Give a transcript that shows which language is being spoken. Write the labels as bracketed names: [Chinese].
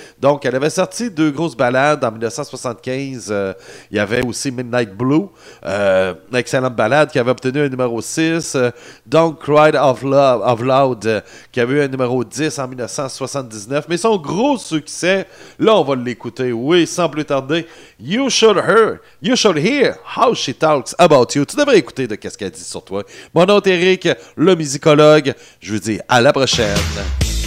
[French] Donc, elle avait sorti deux grosses ballades en 1975. Il y avait aussi Midnight Blue, excellente ballade, qui avait obtenu un numéro 6. Don't Cry of Loud, qui avait eu un numéro 10 en 1979. Mais son gros succès, là, on va l'écouter, oui, sans plus tarder. [English] You should hear how she talks about you. [French] Tu devrais écouter de qu'est-ce qu'elle dit sur toi. Mon nom est Eric, le musicologue. Je vous dis à la prochaine.